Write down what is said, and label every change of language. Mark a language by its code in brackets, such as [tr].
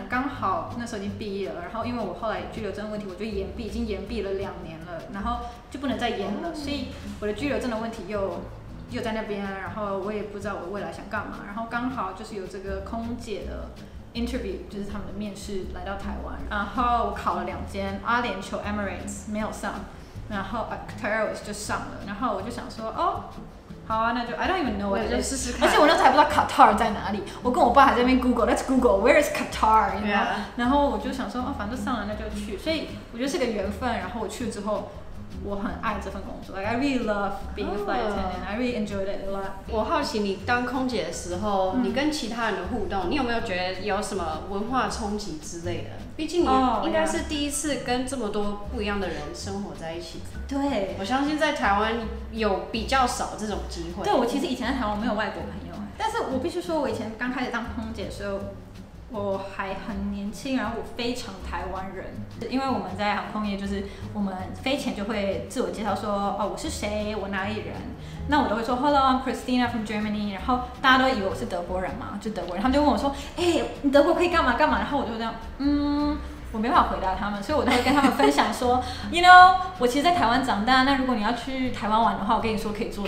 [zh] 刚好那时候已经毕业了，然后因为我后来居留证的问题，我就已经延毕了两年了，然后就不能再延了，所以我的居留证的问题又在那边，然后我也不知道我未来想干嘛，然后刚好就是有这个空姐的 interview， 就是他们的面试来到台湾，然后我考了两间阿联酋 Emirates 没有上，然后 Qataris 就上了，然后我就想说哦好啊，那就 [en] I don't even know， [zh] 我就试试看。而且我那时候还不知道 Qatar 在哪里，我跟我爸还在那边 Google， [en] Let's Google Where is Qatar？ You know? Yeah. [zh] 然后我就想说，反正上了那就去。所以我觉得是个缘分。然后我去了之后，我很爱这份工作， [en] like I really love being a flight attendant， I really enjoyed it a lot。 [zh] 我好奇你当空姐的时候，你跟其他人的互动，你有没有觉得有什么文化冲击之类的？毕竟你应该是第一次跟这么多不一样的人生活在一起。对，我相信在台湾有比较少这种机会。对，我其实以前在台湾没有外国朋友，但是我必须说，我以前刚开始当空姐的时候，我还很年轻，然后我非常台湾人，因为我们在航空业，就是我们飞前就会自我介绍说，哦，我是谁，我哪里人，那我都会说 [en] Hello, I'm Christina from Germany， [zh] 然后大家都以为我是德国人嘛，就德国人，他们就问我说，欸，你德国可以干嘛干嘛，然后我就这样，我没办法回答他们，所以我都会跟他们分享说 [en] you know， [zh] 我其实在台湾长大，那如果你要去台湾玩的话，我跟你说可以做什么，